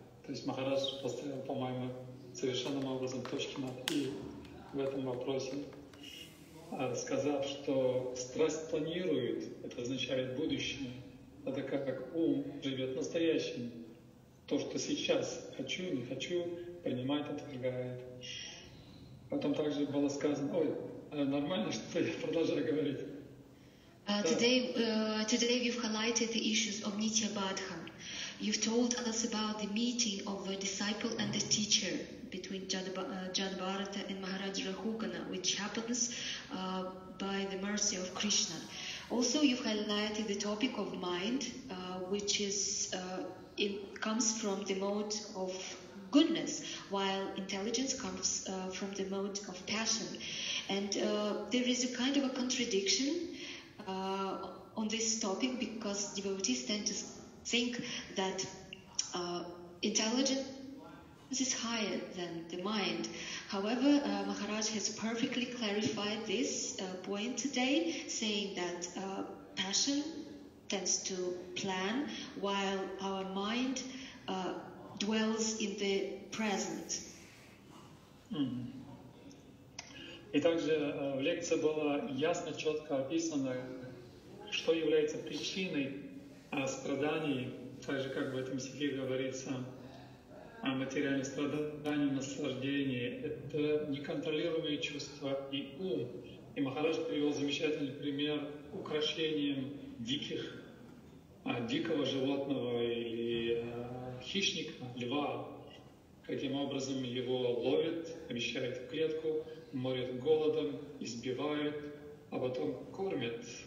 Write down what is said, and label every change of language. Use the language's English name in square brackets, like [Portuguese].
[Russian] То есть Махарадж поставил, по-моему, совершенным образом точки над «и» в этом вопросе, сказав, что страсть планирует, это означает будущее, тогда как ум живет настоящим. То, что сейчас хочу, не хочу, принимает, отвергает. Потом также было сказано, ой, нормально, что я продолжаю говорить. [English] Today you've highlighted the issues of Nitya Bhadham. You've told us about the meeting of a disciple and a teacher between Jadabharata and Maharaj Rahugana, which happens by the mercy of Krishna. Also, you've highlighted the topic of mind, which is it comes from the mode of goodness, while intelligence comes from the mode of passion. And there is a kind of a contradiction on this topic, because devotees tend to think that intelligence is higher than the mind. However, Maharaj has perfectly clarified this point today, saying that passion tends to plan, while our mind dwells in the present. [Russian] И также в лекции было ясно, четко описано, что является причиной страданий, также как в этом стихе говорится, о материальных страданиях, наслаждении. Это неконтролируемые чувства и ум. И Махарадж привел замечательный пример украшением диких, дикого животного или хищника, льва, каким образом его ловят, помещают в клетку, морят голодом, избивают, а потом кормят.